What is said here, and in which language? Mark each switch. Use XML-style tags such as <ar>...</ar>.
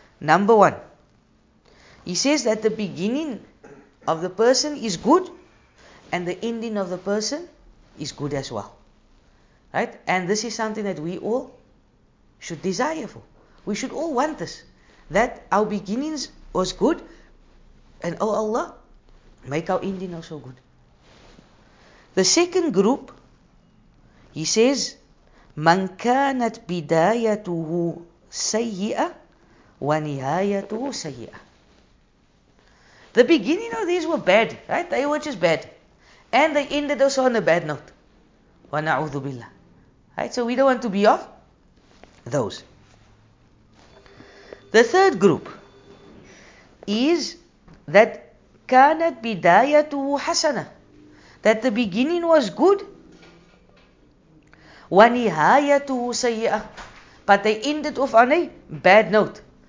<en>Number one, he says that the beginning of the person is good and the ending of the person is good as well. Right? And this is something that we all should desire for. We should all want this, that our beginnings was good, and oh Allah, make our ending also good. The second group, he says,</en> <ar>مَنْ كَانَتْ بِدَايَتُهُ سَيِّئَةً وَنِهَايَتُهُ سَيِّئَةً.</ar> <en>The beginning of these were bad, right? They were just bad. And they ended also on a bad note.</en> <ar>وَنَعُوذُ بِاللَّهِ.</ar> <en>Right, so we don't want to be of those. The third group is that</en> <ar>كانت بدايته حسنة,</ar> <en>that the beginning was good,</en> <ar>ونهايته سيئة,</ar> <en>but they ended off on a bad note.</en>